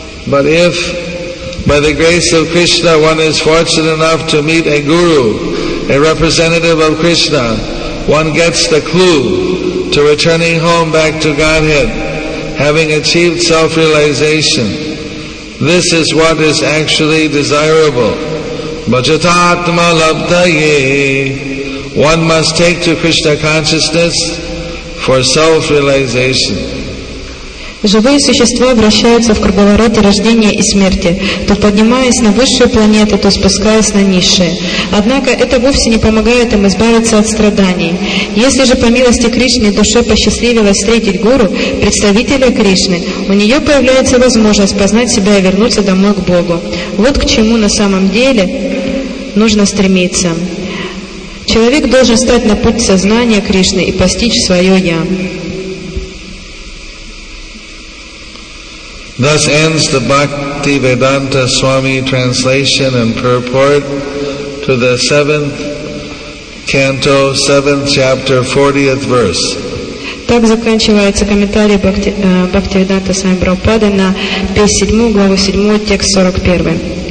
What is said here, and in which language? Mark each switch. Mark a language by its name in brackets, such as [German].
[English] But if, by the grace of Krishna, one is fortunate enough to meet a guru, a representative of Krishna, one gets the clue to returning home back to Godhead, having achieved self-realization. This is what is actually desirable. [Sanskrit] Bhajatatma labdaye. [English] One must take to Krishna consciousness for self-realization. [Russian] Живые существа вращаются в круговороте рождения и смерти, то поднимаясь на высшие планеты, то спускаясь на низшие. Однако это вовсе не помогает им избавиться от страданий. Если же по милости Кришны душе посчастливилось встретить гуру, представителя Кришны, у нее появляется возможность познать себя и вернуться домой к Богу. Вот к чему на самом деле нужно стремиться. Человек должен стать на путь сознания Кришны и постичь свое «Я». [English] Thus ends the Bhaktivedanta Swami translation and purport to the 7th canto, 7th chapter, 40th verse. [Russian] Так заканчивается комментарий Бхактивиданта Свами Прабхупады на 57 главу 7 текст 41.